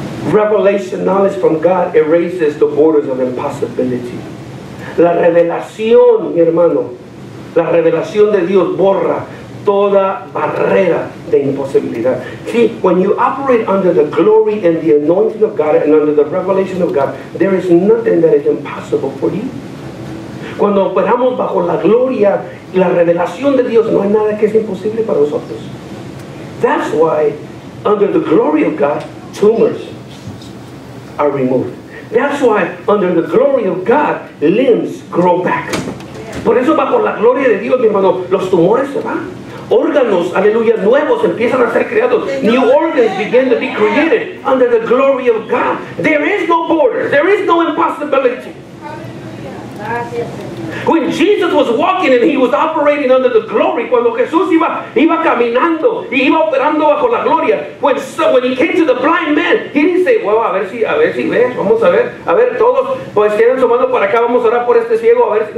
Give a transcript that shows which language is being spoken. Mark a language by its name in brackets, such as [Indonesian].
[English] Revelation knowledge from God erases the borders of impossibility. [Spanish] La revelación, mi hermano, la revelación de Dios borra toda barrera de imposibilidad. [English] See, when you operate under the glory and the anointing of God and under the revelation of God, there is nothing that is impossible for you. [Spanish] Cuando operamos bajo la gloria y la revelación de Dios, no hay nada que es imposible para nosotros. [English] That's why, under the glory of God, tumors are removed. That's why under the glory of God, limbs grow back. [Spanish] Por eso bajo la gloria de Dios, mi hermano, los tumores se van. Órganos, aleluya, nuevos empiezan a ser creados. [English] New organs begin to be created under the glory of God. There is no border. There is no impossibility. [Spanish] Hallelujah. Gracias, Señor. [English] When Jesus was walking and he was operating under the glory, [Spanish] cuando Jesús iba caminando y iba operando bajo la gloria, [English] when he came to the blind man, he didn't say, well, [Spanish] a ver si ves, vamos a ver todos, pues tienen su mano para acá, vamos a orar por este ciego, a ver si.